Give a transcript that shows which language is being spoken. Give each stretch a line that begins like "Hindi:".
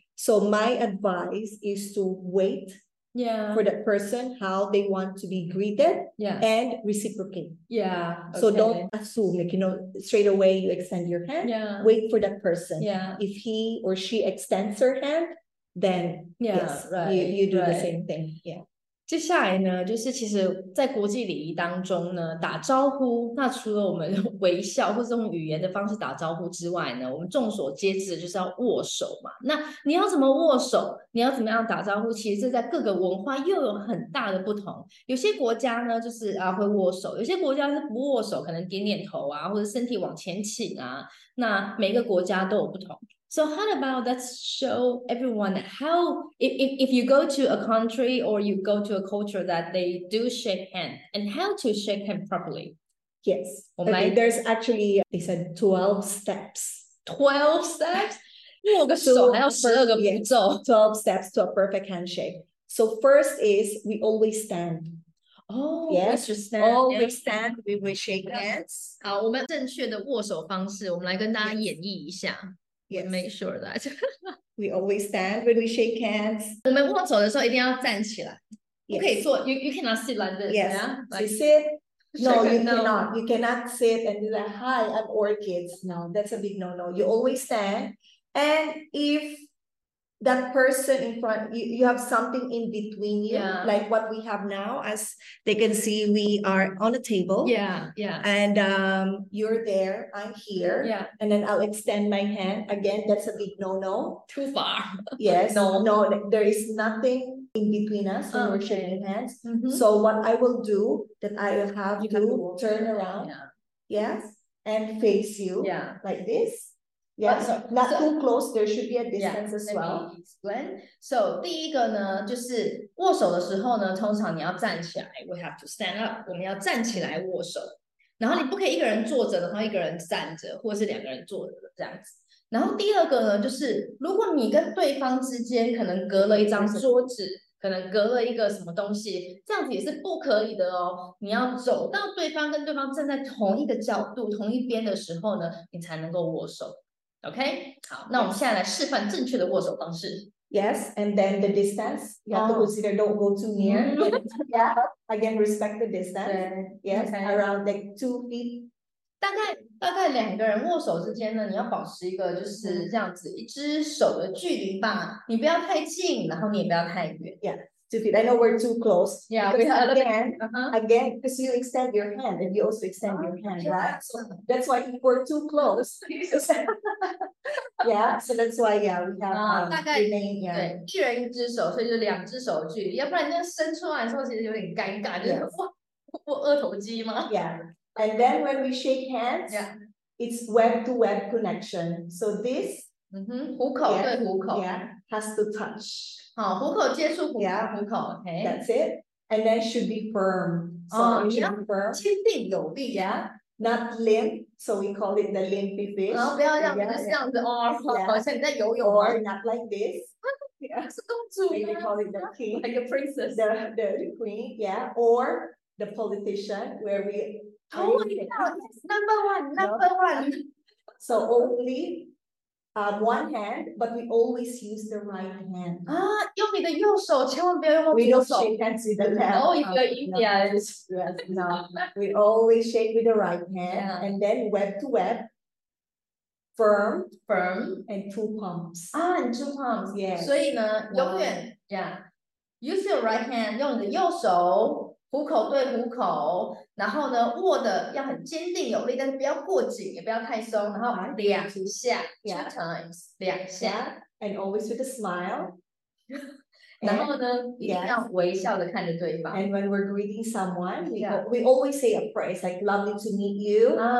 English: So my advice is to wait. For that person, how they want to be greeted and reciprocate. So don't assume, like, you know, straight away you extend your hand. Wait for that person. If he or she extends her hand, then you do the same thing.
Chinese: 接下来呢，就是其实在国际礼仪当中呢，打招呼，那除了我们微笑或是用语言的方式打招呼之外呢，我们众所皆知的就是要握手嘛。那你要怎么握手，你要怎么样打招呼，其实这在各个文化又有很大的不同。有些国家呢就是啊会握手，有些国家是不握手，可能点点头啊，或者身体往前倾啊，那每个国家都有不同。
English: So how about let's show everyone how if you go to a country or you go to a culture that they do shake hand and how to shake hand properly? Yes. Okay. There's actually, they said 12 steps. 12 steps?
Chinese: 握个手还要12个步骤.
English: 12 steps to a perfect handshake. So first is we always stand. Oh, we stand. We will shake hands.
Chinese: 好，我们正确的握手方式，我们来跟大家演绎一下。
English: Yes. Make sure that we always stand when we shake hands.
Chinese: 我们握手的时候一定要站起来，不可以坐。
English: You cannot sit like this. Yes. Yeah? Like, sit. No, you cannot. You cannot sit and be like, "Hi, I'm Orchids." No, that's a big no-no. You always stand. And if that person in front, you have something in between you, like what we have now, as they can see, we are on a table. And you're there, I'm here. And then I'll extend my hand. Again, that's a big no-no. Too far. Yes. No, there is nothing in between us when we're sharing hands. So what I will do, that I will have you to have turn around. Yes. And face you like this. Not too close, there should be a distance as well. Explain.
Chinese: So, 第一个呢，就是握手的时候呢，通常你要站起来，
English: we have to stand up,
Chinese: 我们要站起来握手。然后你不可以一个人坐着，然后一个人站着，或是两个人坐着这样子。然后第二个呢，就是如果你跟对方之间可能隔了一张桌子，可能隔了一个什么东西，这样子也是不可以的哦。你要走到对方跟对方站在同一个角度、同一边的时候呢，你才能够握手。 Okay, 好，那我们现在来示范正确的握手方式。
English: Yes, and then the distance. You have to consider don't go too near. Again, respect the distance. Yes, around like 2 feet.
Chinese: 大概两个人握手之间呢，你要保持一个就是这样子一只手的距离吧。你不要太近，然后你也不要太远。
English: Yeah, 2 feet. I know we're too close. Yeah, because again, because you extend your hand and you also extend your hand, right? So that's why we're too close. so that's why, we have remain,
Chinese: 一人一只手，所以就两只手的距离，要不然这样伸出来的时候其实有点尴尬，就是握二头肌吗？
English: Yeah, and then when we shake hands, it's web-to-web connection. So this,
Chinese: 虎口对虎口，
English: has to touch.
Chinese: 好，虎口接触虎口，
English: That's it, and then should be firm. So it should be firm.
Chinese: 坚定有力，
English: Not limp, so we call it the limpy fish.
Chinese: 然后不要这样子，这样子好像你在游泳。
English: Or not like this.
Chinese: 是公主。
English: Maybe call it the king. Like a princess. The queen, Or the politician, where we... Oh my god, number one, number one. So only One hand, but we always use the right hand.
Chinese: Ah, 用你的右手，千万不要用左手。
English: We don't shake hands with the left. Oh, if you're Indian. Yes, no. We always shake with the right hand. Yeah. And then web to web. Firm. Firm. And two palms. Ah, and two palms. Yes.
Chinese: 所以呢，永远, yeah.
English: Use your right hand,
Chinese: 用你的右手。虎口对虎口，然后呢，握的要很坚定有力，但是不要过紧，也不要太松。然后两下
English: yeah. ，two times，
Chinese: 两下。
English: And always with a smile.
Chinese: 然后呢，一定要微笑的看着对方。
English: And when we're greeting someone, we always say a phrase like "Lovely to meet you."